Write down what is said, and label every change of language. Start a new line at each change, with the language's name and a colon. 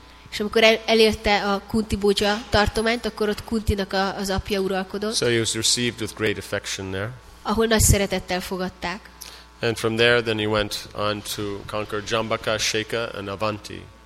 Hungarian: És amikor elérte a Kunti Bhoja tartományt, akkor ott Kuntinak az apja uralkodott.
English: So he was received with great affection there.
Hungarian: Ahol nagy szeretettel fogadták.
English: And from there then he went on to conquer Jambaka, Sheka and Avanti.